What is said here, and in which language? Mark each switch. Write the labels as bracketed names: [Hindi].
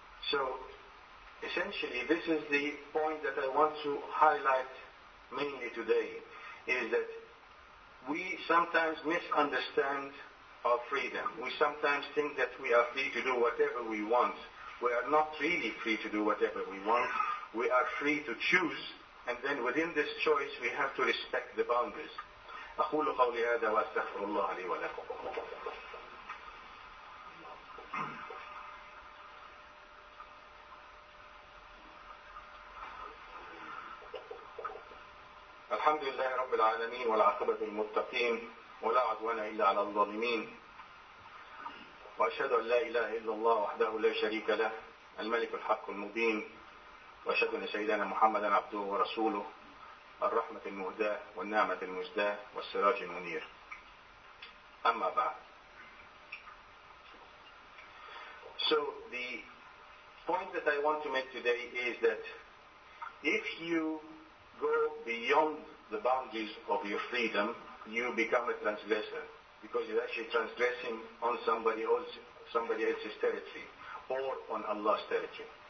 [English] So, essentially, this is the point that I want to highlight mainly today, is that we sometimes misunderstand our freedom. We sometimes think that we are free to do whatever we want. We are not really free to do whatever we want. We are free to choose. And then within this choice, we have to respect the boundaries. [Arabic] أقول قولي هذا وأستغفر الله لي ولكم. الحمد لله رب العالمين والعاقبة للمتقين ولا عدوان إلا على الظالمين. وأشهد أن لا إله إلا الله وحده لا شريك له الملك الحق المبين. وأشهد أن سيدنا محمدا عبده ورسوله الرحمة المهداة والنعمة المزداة والسراج المنير. أما بعد. [English] So the point that I want to make today is that if you go beyond the boundaries of your freedom, you become a transgressor, because you're actually transgressing on somebody else's territory or on Allah's territory.